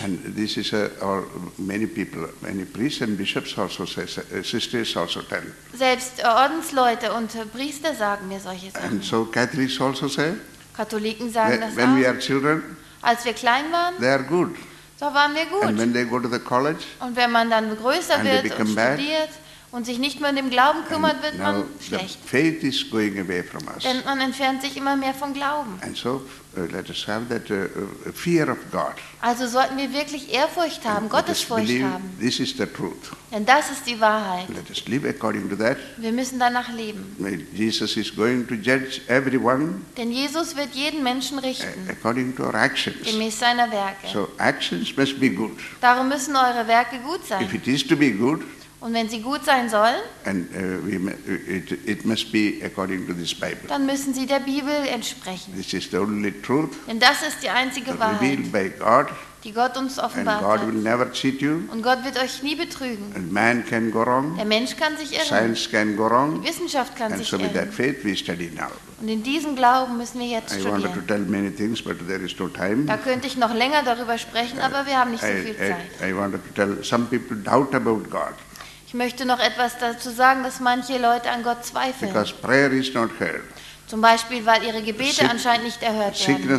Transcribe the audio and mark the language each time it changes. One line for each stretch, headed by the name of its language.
English: And this is many people, many priests and bishops also say, sisters also tell.
German: Selbst Ordensleute und Priester sagen mir solche Sachen.
English: And so Catholics also say,
German: Katholiken sagen das auch.
English: When we are children,
German: als wir klein waren,
English: they are good.
German: So waren wir gut.
English: And when they go to the college,
German: und wenn man dann größer
English: and
German: wird
English: they become
German: und studiert
English: bad,
German: und sich nicht mehr um den Glauben kümmert, wird man schlecht.
English: The faith is going away from us.
German: Denn man entfernt sich immer mehr vom Glauben.
English: And so, let us have that, fear of God.
German: Also sollten wir wirklich Ehrfurcht haben,
English: and
German: Gottesfurcht
English: believe,
German: haben.
English: This is the truth.
German: Denn das ist die Wahrheit.
English: Let us live according to that.
German: Wir müssen danach leben.
English: Jesus is going to judge everyone.
German: Denn Jesus wird jeden Menschen richten.
English: According to our actions.
German: Gemäß seiner Werke.
English: So actions must be good.
German: Darum müssen eure Werke gut sein.
English: If it is to be good,
German: und wenn sie gut sein sollen,
English: and, it must be according to this Bible.
German: Dann müssen sie der Bibel entsprechen.
English: This is the only truth,
German: denn das ist die einzige Wahrheit,
English: revealed by God,
German: die Gott uns offenbart
English: and God
German: hat.
English: Will never cheat you,
German: und Gott wird euch nie betrügen.
English: And man can go wrong,
German: der Mensch kann sich irren.
English: Science can go wrong,
German: die Wissenschaft kann
English: and
German: sich
English: so
German: irren.
English: With that faith we study now.
German: Und in diesem Glauben müssen wir jetzt studieren.
English: I wanted to tell many things, but there is no time.
German: Da könnte ich noch länger darüber sprechen, aber wir haben nicht so viel Zeit.
English: I wanted to tell some people doubt about God.
German: Ich möchte noch etwas dazu sagen, dass manche Leute an Gott zweifeln.
English: Because prayer is not heard.
German: Zum Beispiel, weil ihre Gebete anscheinend nicht erhört werden.